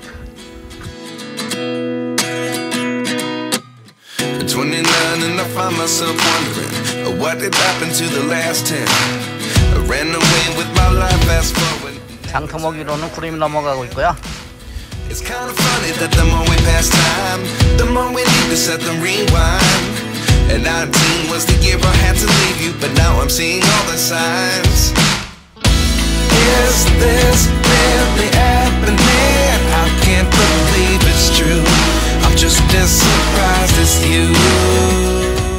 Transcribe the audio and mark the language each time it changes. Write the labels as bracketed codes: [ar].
[en] 29 and I find myself wondering what did happen to the last 10. I ran away with my life fast forward. [ko] 장터목이로는 구름이 넘어가고 있고요. [en] It's kind of funny that the more we pass time, the more we need to set the rewind. And 19 was the year I had to leave you, but now I'm seeing all the signs. Is this really happening? I can't believe it's true. I'm just as surprised as you.